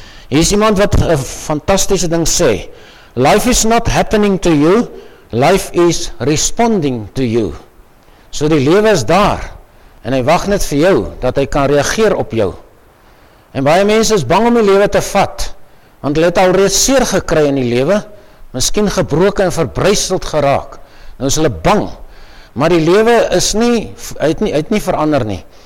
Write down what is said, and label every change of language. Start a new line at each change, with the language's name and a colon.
Afrikaans: Hier is iemand wat 'n fantastiese ding sê.
English: Life is not happening to you, life is responding to you.
Afrikaans: So die lewe is daar, en hy wag net vir jou, dat hy kan reageer op jou. En baie mense is bang om die lewe te vat, want hulle het al reeds seer gekry in die lewe, miskien gebroken en verbruiseld geraak. Nou is hulle bang, maar die lewe is nie, hy het nie verander nie.